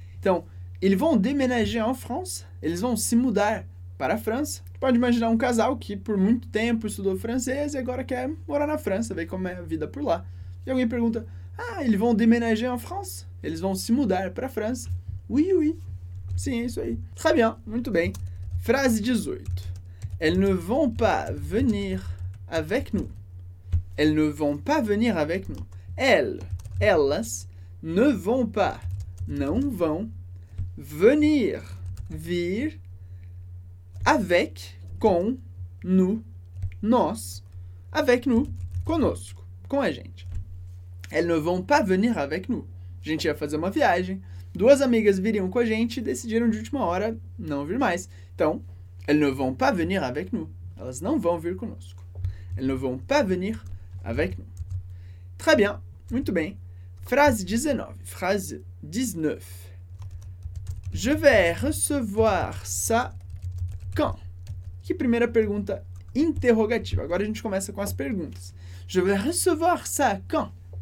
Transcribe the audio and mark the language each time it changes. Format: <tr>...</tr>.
<pt>Então,</pt> <fr>ils vont déménager en France.</fr> <pt>Eles vão se mudar para a França. Pode imaginar um casal que por muito tempo estudou francês e agora quer morar na França, ver como é a vida por lá. E alguém pergunta, ah,</pt> <fr>ils vont déménager en France?</fr> <pt>Eles vão se mudar para a França.</pt> <fr>Oui, oui.</fr> <pt>Sim, é isso aí.</pt> <fr>Très bien,</fr> <pt>muito bem. Frase 18.</pt> <fr>Elles ne vont pas venir avec nous. Elles ne vont pas venir avec nous. Elles ne vont pas,</fr> <pt>não vão,</pt> <fr>venir,</fr> <pt>vir,</pt> <fr>avec, com, nous, nós, avec nous,</fr> <pt>conosco, com a gente.</pt> <fr>Elles ne vont pas venir avec nous.</fr> <pt>A gente ia fazer uma viagem. Duas amigas viriam com a gente e decidiram de última hora não vir mais. Então,</pt> <fr>elles ne vont pas venir avec nous.</fr> <pt>Elas não vão vir conosco.</pt> <fr>Elles ne vont pas venir avec nous. Très bien.</fr> <pt>Muito bem.</pt> <fr>Phrase 19. Phrase 19. Je vais recevoir ça quand?</fr> <pt>Que primeira pergunta interrogativa. Agora a gente começa com as perguntas.</pt> <fr>Je vais recevoir ça quand?</fr>